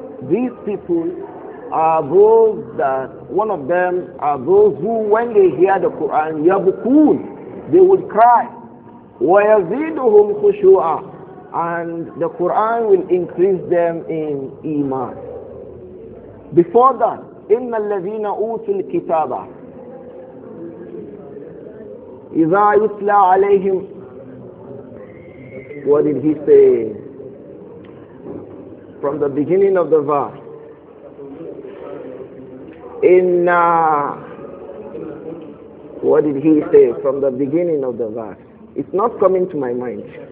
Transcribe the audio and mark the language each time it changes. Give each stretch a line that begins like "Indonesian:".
English: These people are those that, one of them are those who, when they hear the Quran,
Arabic: يَبُكُونَ,
English: they would cry.
Arabic: وَيَزِيدُهُمْ خُشُوعًا.
English: And the Quran will increase them in iman. Before that,
Arabic: إِنَّ الَّذِينَ أُوتُوا الْكِتَابَ إِذَا يُتْلَى عَلَيْهِمْ.
English: What did he say from the beginning of the verse?
Arabic: إِنَّ.
English: What did he say from the beginning of the verse? It's not coming to my mind.